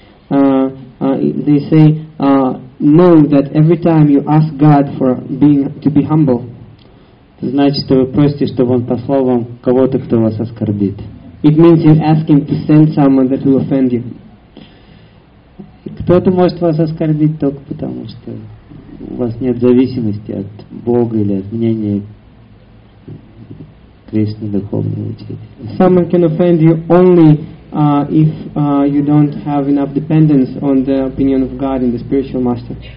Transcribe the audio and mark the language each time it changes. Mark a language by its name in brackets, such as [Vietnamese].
[English] They say, know that every time you ask God for being to be humble, [Russian] это значит, что вы просите, чтобы Он послал вам кого-то, кто вас оскорбит. [English] It means you ask him to send someone that will offend you. [Russian] Кто-то может вас оскорбить только потому, что у вас нет зависимости от Бога или от мнения Кришны духовного учителя. [English] Someone can offend you only if you don't have enough dependence on the opinion of God and the spiritual master.